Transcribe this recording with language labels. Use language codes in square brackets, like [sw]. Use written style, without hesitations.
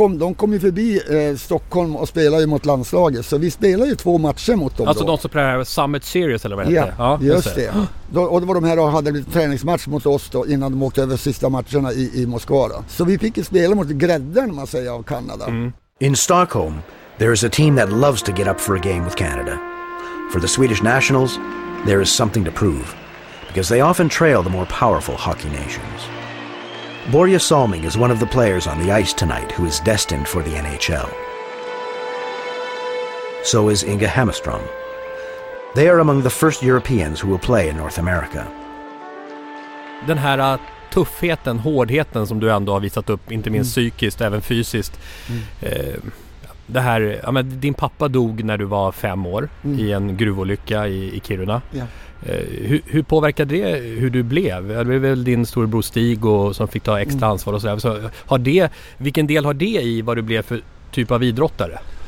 [sv] de kom ju förbi Stockholm och spelade ju mot landslaget. Så vi spelade ju två matcher mot dem. Alltså då. De som spelade Summit Series eller vad det heter. Ja, just det. Då, och det var de här och hade lite träningsmatch mot oss då, innan de åkte över sista matcherna i Moskva då. Så vi fick ju spela mot grädden, man säger, av Kanada. Mm. [en] In Stockholm, there is a team that loves to get up for a game with Canada. For the Swedish nationals, there is something to prove. Because they often trail the more powerful hockey nations. Börje Salming is one of the players on the ice tonight who is destined for the NHL. So is Inge Hammerström. They are among the first Europeans who will play in North America. [sv] Den här tuffheten, hårdheten som du ändå har visat upp, inte minst psykiskt, även fysiskt. Mm. Det här, ja, men din pappa dog när du var 5 år i en gruvolycka i Kiruna. [en] Yeah. [sv] Hur påverkade det hur du blev? Det var väl din storebror Stig och som fick ta extra ansvar och sådär. Så har det, vilken del har det i vad du blev för typ av idrottare?